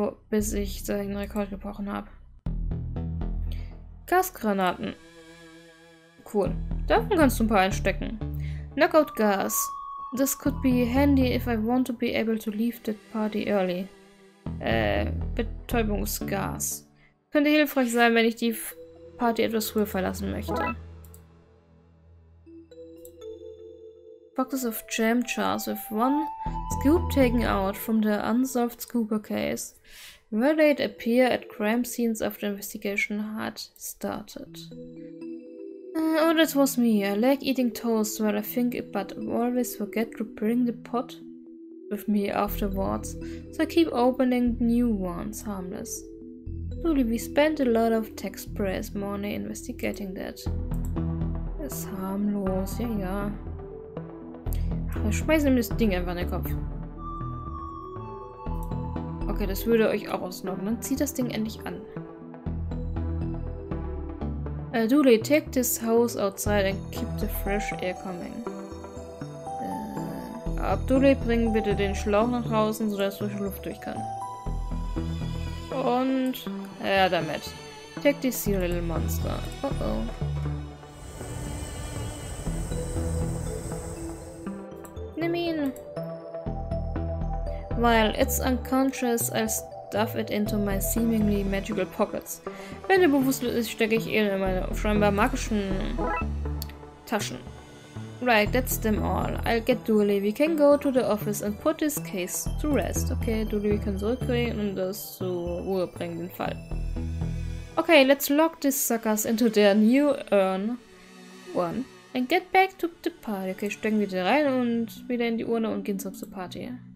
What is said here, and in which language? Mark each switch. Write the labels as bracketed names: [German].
[German] Bis ich seinen Rekord gebrochen habe. Gasgranaten. Cool. Davon kannst du ein paar einstecken. Knockout Gas. [English] This could be handy if I want to be able to leave that party early. [German] Betäubungsgas. Könnte hilfreich sein, wenn ich die Party etwas früher verlassen möchte. [English] Boxes of jam jars with one scoop taken out from the unsolved scooper case. Where they'd appear at crime scenes after investigation had started. Oh, that was me. I like eating toast while I think it, but I always forget to bring the pot with me afterwards. So I keep opening new ones, harmless. Truly, we spent a lot of taxpayers' money investigating that. [German] Ist harmlos, ja, ja. Wir schmeißen ihm das Ding einfach in den Kopf. Okay, das würde euch auch ausnocken. Dann zieht das Ding endlich an. [English] Dooley, take this house outside and keep the fresh air coming. [German] Abdulli, bring bitte den Schlauch nach draußen, sodass frische Luft durch kann. Und... ja, damit. [English] Take this here, little monster. [German] Oh oh. Nimm ihn! [English] While it's unconscious, I'll stuff it into my seemingly magical pockets. [German] Wenn er bewusstlos ist, stecke ich ihn in meine scheinbar magischen Taschen. [English] Right, that's them all. I'll get Dooley. We can go to the office and put this case to rest. [German] Okay, Dooley, wir können zurückgehen und das zur Ruhe bringen, den Fall. [English] Okay, let's lock these suckers into their new urn. One. And get back to the party. [German] Okay, stecken wir die rein und wieder in die Urne und gehen zurück zur Party.